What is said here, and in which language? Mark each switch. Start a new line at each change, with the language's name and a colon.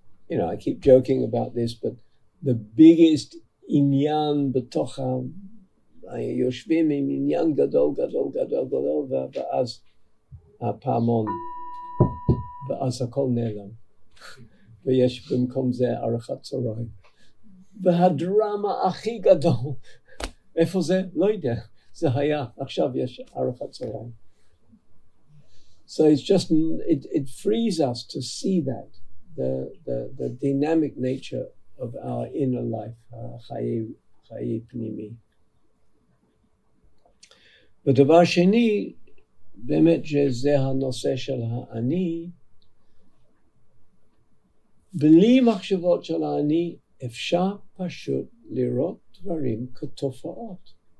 English: You know, I keep joking about this, but the biggest
Hebrew: עניין בתוך היושבים עם עניין גדול, גדול, גדול, גדול, ואז הפעמון, ואז הכל נעלם. ויש במקום זה ארוחת צהריים. והדרמה הכי גדול, איפה זה? לא יודע. זה היה, עכשיו יש ארוחת צהריים.
English: So it's just, it frees us to see that, the dynamic nature of our inner life,
Hebrew: חיי פנימי. ודבר שני, באמת שזה הנושא של האני, בלי מחשבות של האני אפשר פשוט לראות דברים כתופעות.